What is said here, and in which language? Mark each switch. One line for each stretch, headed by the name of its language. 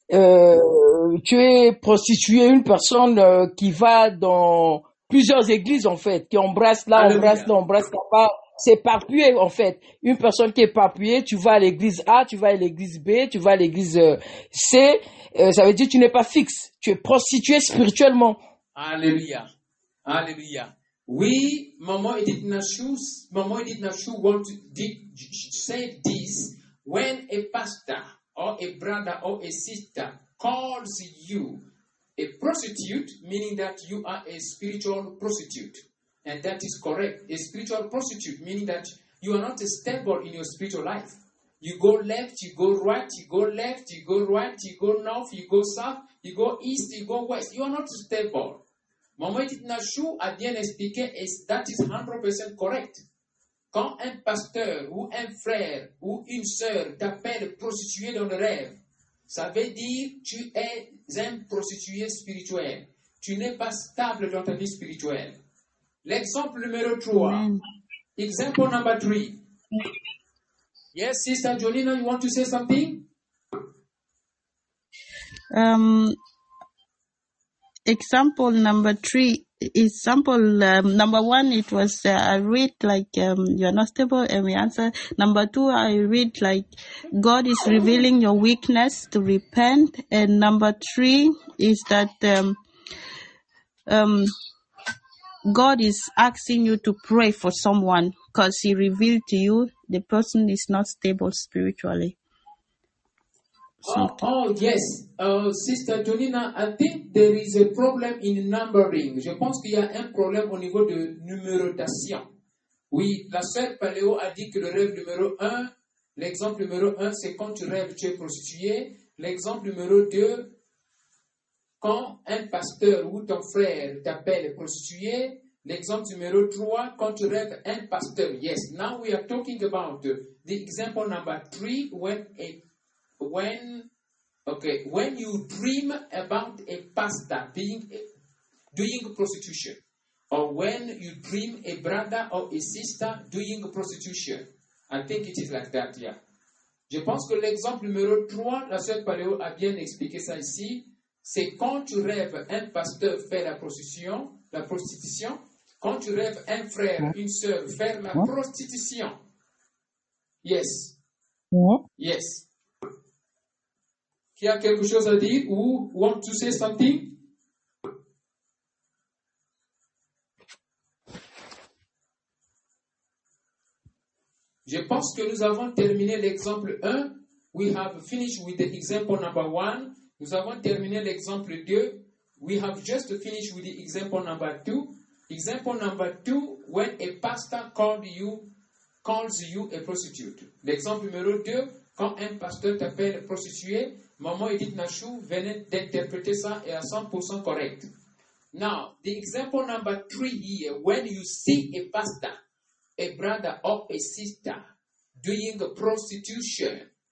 French: Tu es prostituée, une personne qui va dans plusieurs églises, en fait, qui embrasse là, embrasse là-bas. C'est papué, en fait. Une personne qui est papuée, tu vas à l'église A, tu vas à l'église B, tu vas à l'église C. Ça veut dire que tu n'es pas fixe. Tu es prostituée spirituellement. Alléluia. Alléluia.
English: Oui, Maman Edith Nachou said this when a pastor or a brother or a sister calls you a prostitute, meaning that you are a spiritual prostitute. And that is correct. A spiritual prostitute, meaning that you are not stable in your spiritual life. You go left, you go right, you go left, you go right, you go north, you go south, you go east, you go west. You are not stable.
French: Maman Edith Nachou a bien expliqué,
English: that is 100% correct.
French: Quand un pasteur ou un frère ou une sœur t'appelle prostituée dans le rêve, ça veut dire tu es un prostitué spirituel. Tu n'es pas stable dans ta vie spirituelle. L'exemple numéro 3.
English: Example number 3. Yes, Sister Jolina, you want to say something? Example number 3. Number 1, it was you're not stable, and we answer. Number 2, I read like God is revealing your weakness to repent. And number 3 is that God is asking you to pray for someone because he revealed to you the person is not stable spiritually. Yes, Sister Jolina, I think there is a problem in numbering.
French: Je pense qu'il y a un problème au niveau de numérotation. Oui, la sœur Paléo a dit que le rêve numéro 1, l'exemple numéro 1, c'est quand tu rêves, tu es prostituée. L'exemple numéro 2, quand un pasteur ou ton frère t'appelle prostituée. L'exemple numéro 3, quand tu rêves un pasteur.
English: Yes, now we are talking about the example number 3, when you dream about a pastor doing prostitution, or when you dream a brother or a sister doing prostitution, I think it is like that. Yeah.
French: Je pense que l'exemple numéro 3, la sœur Paléo a bien expliqué ça ici. C'est quand tu rêves un pasteur faire la prostitution, quand tu rêves un frère, une sœur faire la prostitution.
English: Yes. Yes.
French: Qui a quelque chose à dire ou
English: want to say something?
French: Je pense que nous avons terminé l'exemple 1.
English: We have finished with the example number 1.
French: Nous avons terminé l'exemple 2.
English: We have just finished with the example number 2. Example number 2, when a pastor calls you a prostitute.
French: L'exemple numéro 2, quand un pasteur t'appelle prostituée, maman Edith Nachou venait d'interpréter ça et à 100% correct.
English: Now, the example number 3 here, when you see a pastor, a brother or a sister doing a prostitution.